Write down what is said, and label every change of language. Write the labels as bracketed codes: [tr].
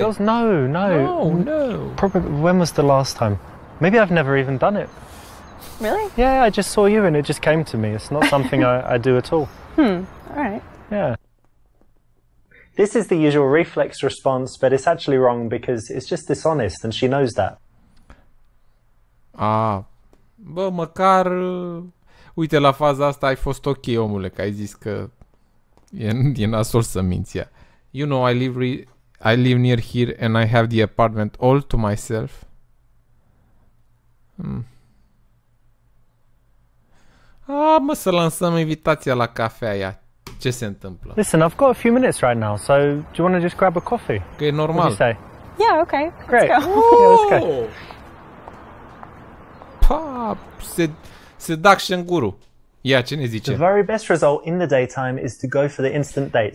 [en] Stop, no, probably, when was the last time, maybe I've never even done it. Really? Yeah, I just saw you and it just came to me. It's not something I do at all. All right. Yeah. This is the usual reflex response, but it's actually wrong because it's just dishonest and she knows that. [ro] Ah, bă, măcar, uite, la faza asta ai fost ok, omule, că ai zis că e nasol să minți, yeah. [en] You know, I live near here and I have the apartment all to myself. [ro] Mă, să lansăm invitația la cafea aia. Ce se întâmplă? [en] Listen, I've got a few minutes right now, so do you want to just grab a coffee? [ro] Că e normal. [en] What do you say? Yeah, okay. Great. Let's go. [ro] Pop, [en] seduction guru. [ro] Ia, ce ne zice? [en] The very best result in the daytime is to go for the instant date.